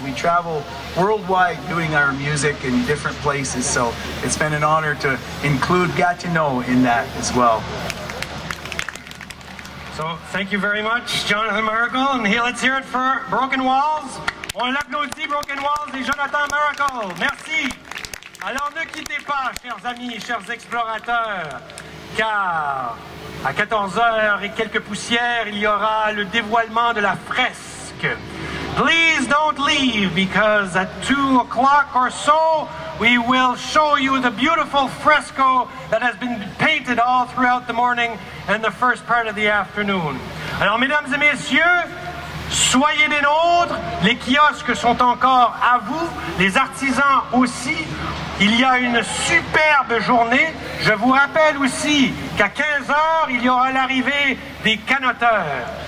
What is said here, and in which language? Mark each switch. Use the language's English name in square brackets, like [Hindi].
[English] We travel worldwide doing our music in different places, so it's been an honor to include Gatineau in that as well. So thank you very much, Jonathan Maracle, and here, let's hear it for Broken Walls. [French] On l'applaudit, Broken Walls et Jonathan Maracle. Merci. Alors ne quittez pas, chers amis, chers explorateurs, car à 14h et quelques poussières, il y aura le dévoilement de la fresque. [English] Please don't leave, because at 2 o'clock or so, we will show you the beautiful fresco that has been painted all throughout the morning and the first part of the afternoon. [French] Alors, mesdames et messieurs, soyez des nôtres, les kiosques sont encore à vous, les artisans aussi. Il y a une superbe journée. Je vous rappelle aussi qu'à 15h, il y aura l'arrivée des canoteurs.